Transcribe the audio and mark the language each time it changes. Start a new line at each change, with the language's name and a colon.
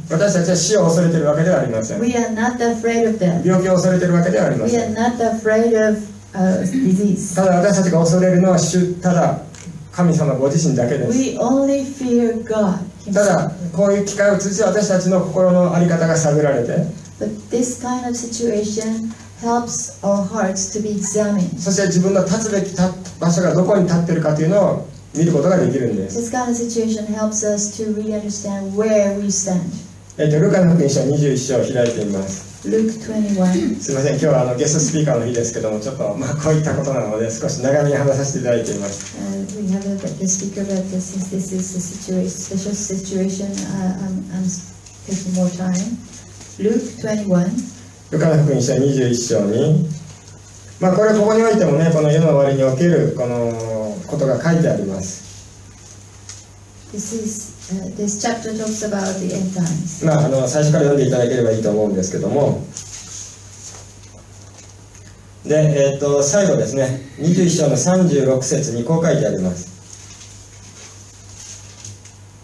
Japanese: 私たちは死を恐れているわけではありません。
English: We are not afraid of death.
Japanese: 病気を恐れているわけではありません。
English: We are not afraid of disease.
Japanese: ただ私たちが恐れるのは主、ただ神様ご自身だけです。
English: We only fear God.
Japanese: ただこういう機会を通じて私たちの心の在り方が探られて。
English: But this kind of situation helps our hearts to be examined.
Japanese: そして自分の立つべき場所がどこに立っているかというのを見ることができるんです。
English: This kind of situation helps us to really understand where we stand.
Japanese: ルカの福音書21章を開いています。
English: Luke 21.
Japanese: すみません、今日はゲストスピーカーの日ですけども、ちょっと、まあ、こういったことなので少し長めに話させていただいています。
English: We have a guest speaker, but since this is a special situation, I'm taking more time. Luke 21.
Japanese: ルカの福音書21章に、まあ、これここにおいてもね、この世の終わりにおけるこのことが書いてあります。
English: this chapter talks about the end times.
Japanese: まあ、最初から読んでいただければいいと思うんですけども、で、最後ですね、21章の36節にこう書いてあります。